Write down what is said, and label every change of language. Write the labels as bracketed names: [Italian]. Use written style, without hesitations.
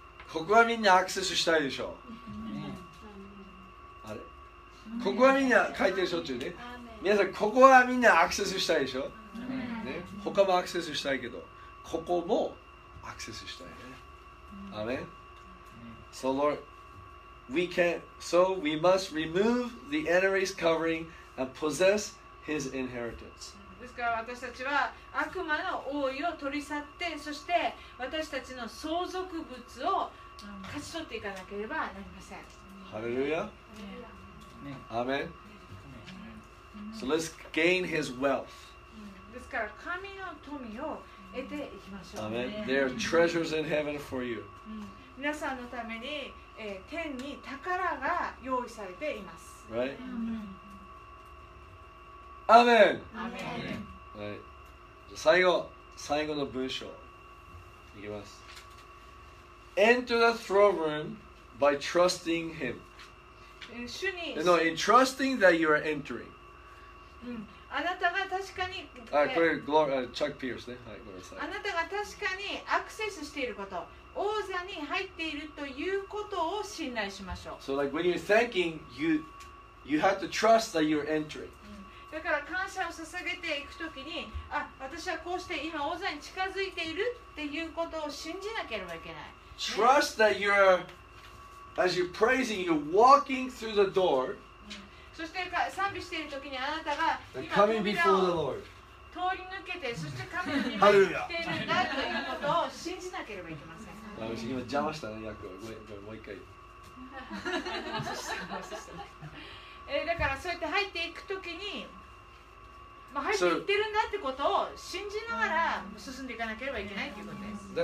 [Japanese] ここはみんなアクセスしたいでしょう。ここはみんな書いてるでしょっていうね。皆さん、ここはみんなアクセスしたいでしょ、ね、他もアクセスしたいけど、ここもアクセスしたいね。アメン。 [English] So Lord, we can, so we must remove the enemy's covering and possess his inheritance. [Japanese] ですから私たちは悪魔の覆いを取り去って、そして私たちの相続物を勝ち取っていかなければなりません。 [English] ハレルヤ。アメン。So let's gain his wealth. [Japanese] ですから神の富を得ていきましょう。 [English] アメン。There are treasures in heaven for you. [Japanese] 皆さんのために天に宝が用意されています。 [English] Right? [Japanese] アメン。アメン。はい。最後、最後の文章。いきます。 [English] Enter the throne room by trusting him. No, in trusting that you are entering. [Japanese] あなたが確かに、これ、Chuck Pierce ね。はい、ごめんなさい。あなたが確かにアクセスしていること、王座に入っているということを信頼しましょう。 [English] So like when you're thanking, you have to trust that you're entering. [Japanese] だから感謝を捧げていくときに、あ、私はこうして今王座に近づいているっていうことを信じなければいけない。 [English] Trust that you're, as you're praising, you're walking through the door. [Japanese] そして賛美しているときにあなたが [English] 今coming before the Lord. [Japanese] 通り抜けて、そして神の前に来ているんだということを信じなければいけません。私今邪魔したね、役を。もう一回。だからそうやって入っていくときに、まあ、入っていってるんだってことを信じながら進んでいかなければいけないということです。